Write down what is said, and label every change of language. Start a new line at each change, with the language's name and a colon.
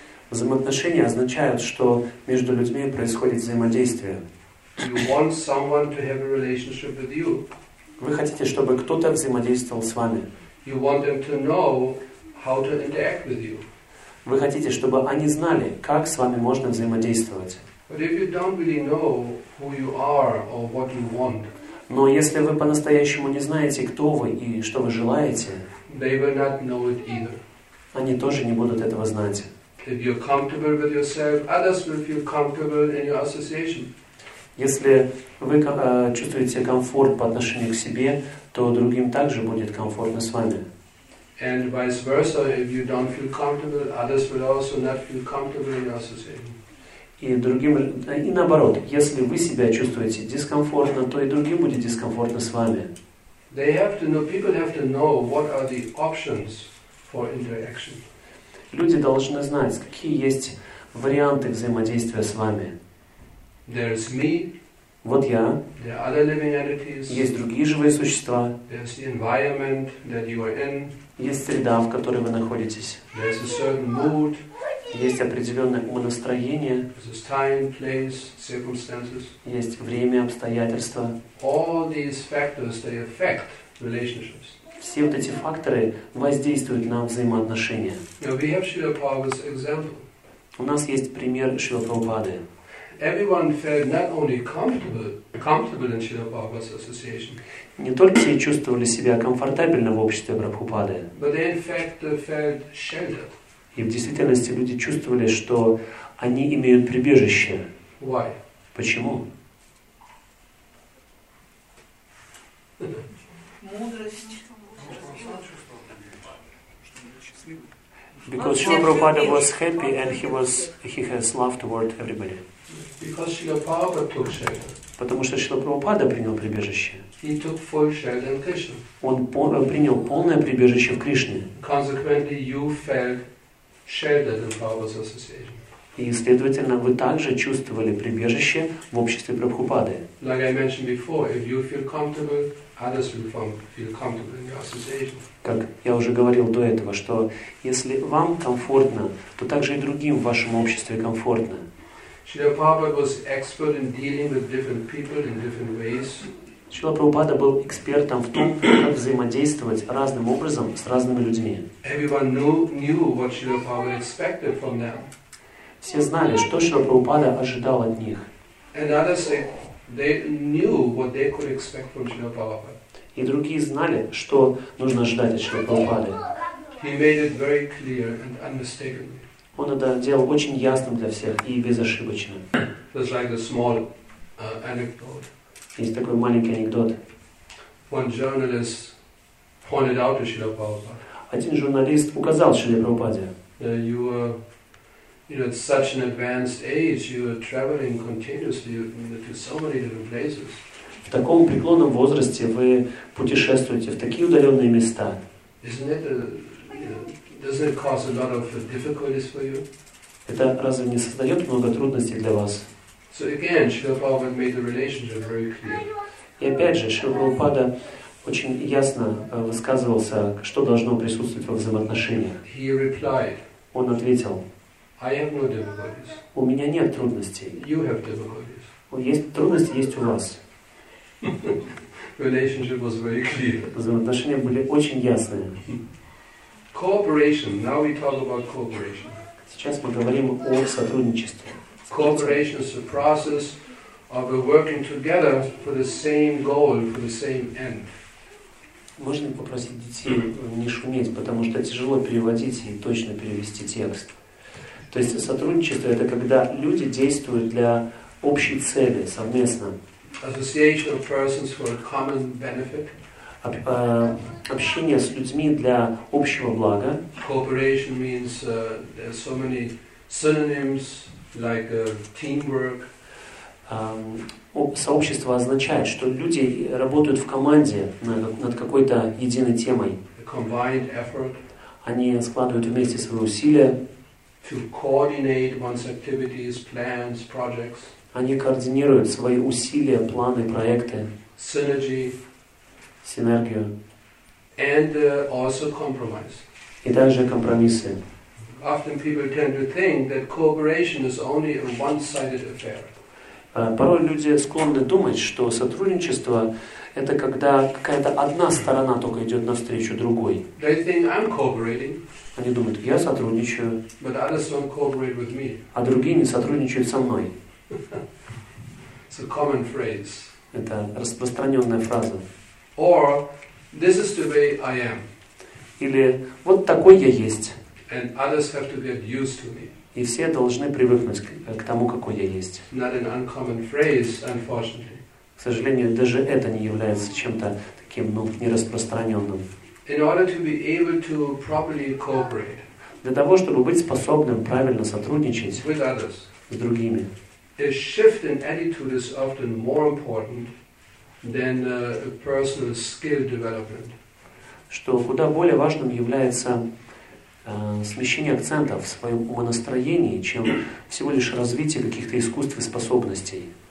Russian: Взаимоотношения означают, что между людьми происходит взаимодействие.
English: You want someone to have a relationship with you.
Russian: Вы хотите, чтобы кто-то взаимодействовал с вами.
English: You want them to know how to interact with you.
Russian: Вы хотите, чтобы они знали, как с вами можно взаимодействовать.
English: But if you don't really know who you are or what you want,
Russian: но если вы по-настоящему не знаете, кто вы и что вы желаете,
English: they will not know it either.
Russian: Они тоже не будут этого знать.
English: If you're comfortable with yourself, others will feel comfortable in your association.
Russian: Если вы чувствуете комфорт по отношению к себе, то другим также будет комфортно с вами.
English: And vice versa, if you don't feel comfortable, others will also not feel comfortable in your association.
Russian: И другим, и наоборот, если вы себя чувствуете дискомфортно, то и другим будет дискомфортно с вами.
English: They have to know, people have to know what are the options for interaction.
Russian: Люди должны знать, какие есть варианты взаимодействия с вами.
English: There's me.
Russian: Вот я.
English: There are other living entities.
Russian: Есть другие живые существа.
English: There's the environment that you are in.
Russian: Есть среда, в которой вы находитесь.
English: There's a certain mood.
Russian: Есть определенное умонастроение.
English: There's time, place, circumstances.
Russian: Есть время, обстоятельства.
English: All these factors, they affect relationships.
Russian: Все вот эти факторы воздействуют на взаимоотношения.
English: Now we have Srila Prabhupada's example.
Russian: У нас есть пример Шрила Прабхупады.
English: Everyone felt not only comfortable in Srila Prabhupada's association.
Russian: Не только все чувствовали себя комфортабельно в обществе Прабхупады.
English: But they in fact felt sheltered.
Russian: И в действительности люди чувствовали, что они имеют прибежище.
English: Why?
Russian: Почему? Мудрость.
English: Because Srila Prabhupada was happy and he has love toward everybody. Because Srila Prabhupada took shelter.
Russian: Потому что Шрила Прабхупада принял прибежище.
English: He took full shelter in Krishna.
Russian: Он принял полное прибежище в Кришне.
English: Consequently, you felt shelter in Prabhupada's association.
Russian: И, следовательно, вы также чувствовали прибежище в обществе Прабхупады.
English: Like I mentioned before, if you feel comfortable, others will feel comfortable in your association.
Russian: Как я уже говорил до этого, что если вам комфортно, то также и другим в вашем обществе комфортно.
English: Srila Prabhupada was expert in dealing with different people in different ways.
Russian: Srila Prabhupada был экспертом в том, как взаимодействовать разным образом с разными людьми.
English: Everyone knew what Srila Prabhupada expected from them.
Russian: Все знали, что Srila Prabhupada ожидал от них.
English: And others they knew what they could expect from Srila Prabhupada.
Russian: И другие знали, что нужно ожидать от Srila Prabhupada.
English: He made it very clear and unmistakably.
Russian: Он это делал очень ясным для всех и безошибочно.
English: It's like a small anecdote.
Russian: Есть такой маленький анекдот.
English: One journalist pointed out to Srila Prabhupada.
Russian: Один журналист указал Шриле Прабхупаде.
English: You are, you know, at such an advanced age, you are traveling continuously to so many different places.
Russian: В таком преклонном возрасте вы путешествуете в такие удаленные места.
English: Isn't it doesn't it cause a lot of difficulties for you?
Russian: Это разве не создает много трудностей для вас?
English: So again, Srila Prabhupada made the relationship very clear.
Russian: И опять же, Шрила Прабхупада очень ясно высказывался, что должно присутствовать во взаимоотношениях.
English: He replied.
Russian: Он ответил.
English: I have no difficulties.
Russian: У меня нет трудностей.
English: You have difficulties.
Russian: Есть трудности есть у вас.
English: Relationship was very clear.
Russian: Взаимоотношения были очень ясные.
English: Cooperation. Now we talk about cooperation.
Russian: Сейчас мы говорим о сотрудничестве.
English: Cooperation is the process of working together for the same goal, for the same end.
Russian: Можно попросить детей не шуметь, потому что тяжело переводить и точно перевести текст. То есть сотрудничество — это когда люди действуют для общей цели совместно.
English: Association of persons for a common benefit.
Russian: Общение с людьми для общего блага.
English: Cooperation means there are so many synonyms like teamwork.
Russian: Сообщество означает, что люди работают в команде над какой-то единой темой.
English: A combined effort.
Russian: Они складывают вместе свои усилия.
English: To coordinate one's activities, plans, projects.
Russian: Они координируют свои усилия, планы, проекты.
English: Synergy.
Russian: Синергию.
English: And also compromise.
Russian: И также компромиссы.
English: Often people tend to think that cooperation is only a one-sided affair.
Russian: Порой люди склонны думать, что сотрудничество – это когда какая-то одна сторона только идет навстречу другой.
English: They think I'm cooperating.
Russian: Они думают, я сотрудничаю,
English: but others don't cooperate with me.
Russian: А другие не сотрудничают со мной.
English: It's a common phrase.
Russian: Это распространенная фраза.
English: Or, this is the way I am.
Russian: Или вот такой я есть.
English: And others have to get used to me.
Russian: И все должны привыкнуть к тому, какой я есть.
English: Not an uncommon phrase, unfortunately.
Russian: К сожалению, даже это не является чем-то таким, ну, нераспространенным.
English: In order to be able to properly cooperate.
Russian: Для того, чтобы быть способным правильно сотрудничать
English: with others.
Russian: С другими.
English: A shift in attitude is often more important than a personal skill development.
Russian: Что куда более важным является смещение акцента в своем умонастроении, чем всего лишь развитие каких-то искусств и способностей.